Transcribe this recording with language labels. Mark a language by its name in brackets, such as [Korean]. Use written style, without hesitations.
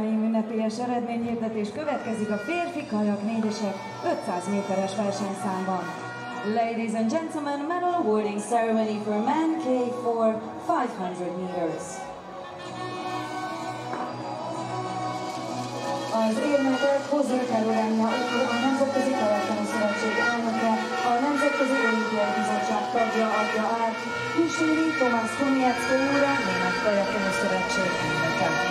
[Hungarian] Ünnepélyes eredményhirdetés következik a férfi kajak négyesek 500 méteres versenyszámban. [English] Ladies and gentlemen, medal awarding ceremony for men K4 500 meters. [Hungarian] Az érmeket hozzá kell a Nemzetközi Kajakkenu Szövetség elnöke, a Nemzetközi Olimpiai Bizottság tagja adja át, kísérő Tomás Kuniecko úr, Német Kajakkenu Szövetség elnöke.